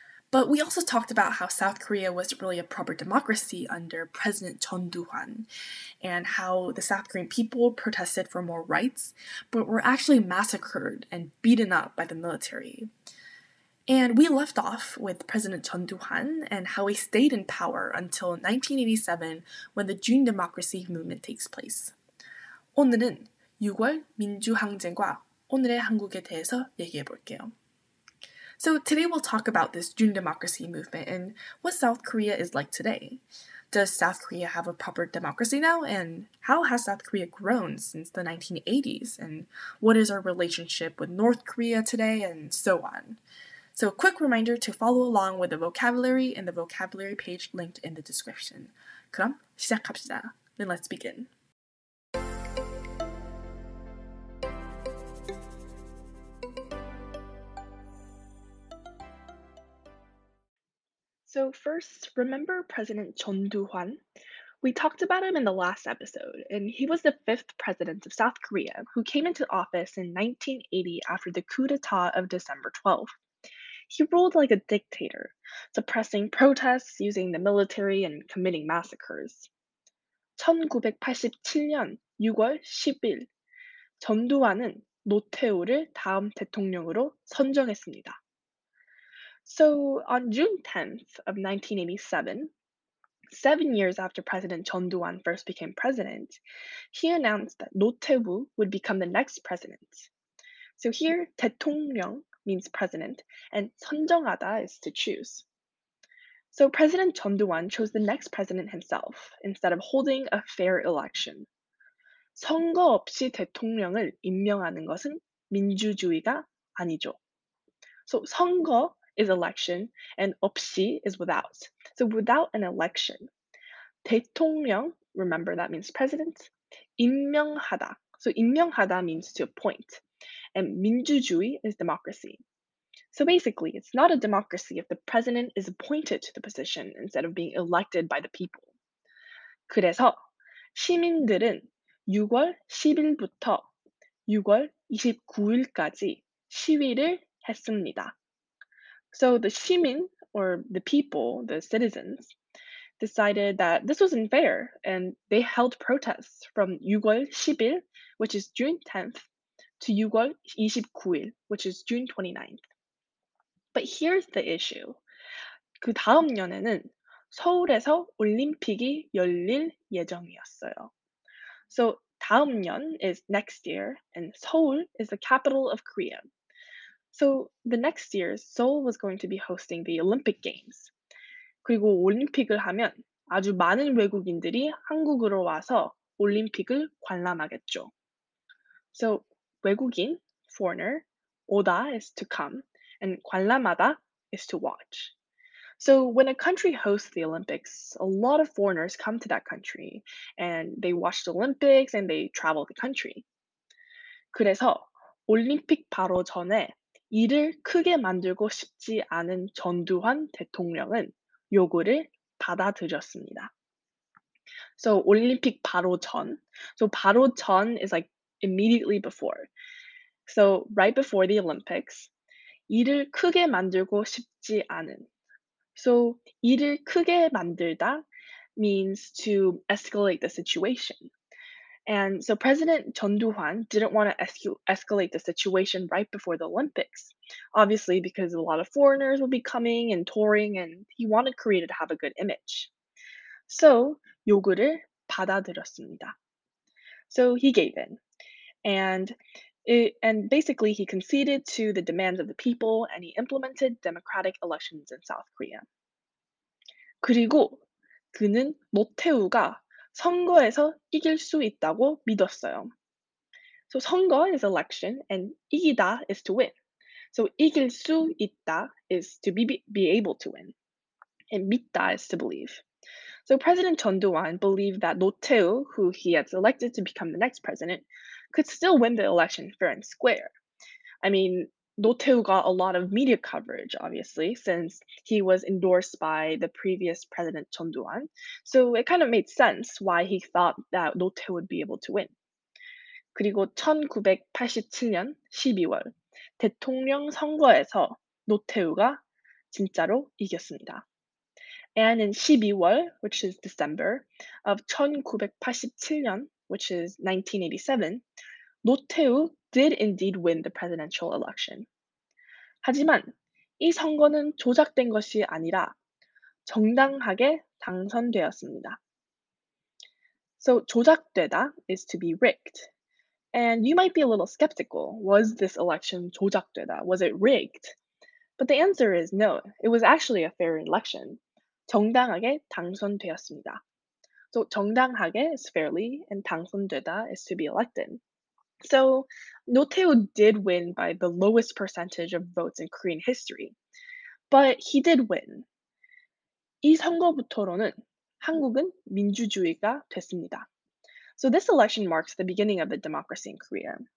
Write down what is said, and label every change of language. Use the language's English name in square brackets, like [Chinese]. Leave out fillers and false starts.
[English] But we also talked about how South Korea wasn't really a proper democracy under President Chun Doo-hwan, and how the South Korean people protested for more rights, but were actually massacred and beaten up by the military. And we left off with President Chun Doo-hwan and how he stayed in power until 1987 when the June Democracy Movement takes place. [Korean] 오늘은 6월 민주항쟁과 오늘의 한국에 대해서 얘기해 볼게요. [English] So today we'll talk about this June Democracy Movement and what South Korea is like today. Does South Korea have a proper democracy now? And how has South Korea grown since the 1980s? And what is our relationship with North Korea today? And so on. So a quick reminder to follow along with the vocabulary in the vocabulary page linked in the description. [Korean] 그럼 시작합시다. [English] Then let's begin. So first, remember President Chun Doo-hwan? We talked about him in the last episode, and he was the fifth president of South Korea who came into office in 1980 after the coup d'etat of December 12th. He ruled like a dictator, suppressing protests, using the military, and committing massacres. [Korean] 1987년 6월 10일, 전두환은 노태우를 다음 대통령으로 선정했습니다. [English] So on June 10th of 1987, 7 years after President Chun Doo-hwan first became president, he announced that Notaewoo would become the next president. So here, 대통령 means president, and 선정하다 is to choose. So President Chun Doo-hwan chose the next president himself, instead of holding a fair election. [Korean] 선거 없이 대통령을 임명하는 것은 민주주의가 아니죠. [English] So 선거 is election, and 없이 is without. So without an election. 대통령, remember that means president. 임명하다. So 임명하다 means to appoint. And 민주주의 is democracy. So basically, it's not a democracy if the president is appointed to the position instead of being elected by the people. [Korean] 그래서 시민들은 6월 10일부터 6월 29일까지 시위를 했습니다. [English] So the 시민, or the people, the citizens, decided that this was unfair, and they held protests from [Korean] 6월 10일, [English] which is June 10th, to [Korean] 6월 29일, [English] which is June 29th. But here's the issue. [Korean] 그 다음 년에는 서울에서 올림픽이 열릴 예정이었어요. [English] So [Korean] 다음 년 [English] is next year, and 서울 is the capital of Korea. So the next year, Seoul was going to be hosting the Olympic Games. [Korean] 그리고 올림픽을 하면 아주 많은 외국인들이 한국으로 와서 올림픽을 관람하겠죠. [English] So 외국인, foreigner, 오다 is to come, and 관람하다 is to watch. So when a country hosts the Olympics, a lot of foreigners come to that country, and they watch the Olympics, and they travel the country. [Korean] 그래서 올림픽 바로 전에 이를 크게 만들고 싶지 않은 전두환 대통령은 요구를 받아들였습니다. [English] So, [Korean] 올림픽 바로 전. [English] So, 바로 전 is like immediately before. So, right before the Olympics. [Korean] 이를 크게 만들고 싶지 않은. [English] So, [Korean] 이를 크게 만들다 [English] means to escalate the situation. And so President Chun Doo-hwan didn't want to escalate the situation right before the Olympics, obviously because a lot of foreigners would be coming and touring, and he wanted Korea to have a good image. So [Korean] 요구를 받아들였습니다. [English] So he gave in. And basically he conceded to the demands of the people, and he implemented democratic elections in South Korea. [Korean] 그리고 그는 노태우가 선거에서 이길 수 있다고 믿었어요. [English] So 선거 is election, and 이기다 is to win. So [Korean] 이길 수 있다 [English] is to be able to win. And 믿다 is to believe. So President Chun Doo-hwan believed that Noteu, who he had selected to become the next president, could still win the election fair and square. I mean, Noteu got a lot of media coverage, obviously, since he was endorsed by the previous president, Chun Doo-hwan. So it kind of made sense why he thought that Noteu would be able to win. [Korean] 그리고 1987년 12월, 대통령 선거에서 노태우가 진짜로 이겼습니다. [English] And in 12월, which is December, of 1987년, which is 1987, 노태우 did indeed win the presidential election. [Korean] 하지만 이 선거는 조작된 것이 아니라 정당하게 당선되었습니다. [English] So 조작되다 is to be rigged. And you might be a little skeptical. Was this election 조작되다? Was it rigged? But the answer is no. It was actually a fair election. [Korean] 정당하게 당선되었습니다. [English] So 정당하게 is fairly and 당선되다 is to be elected. So, Noteu did win by the lowest percentage of votes in Korean history. But he did win. [Korean] 이 선거부터로는 한국은 민주주의가 됐습니다. [English] So this election marks the beginning of the democracy in Korea.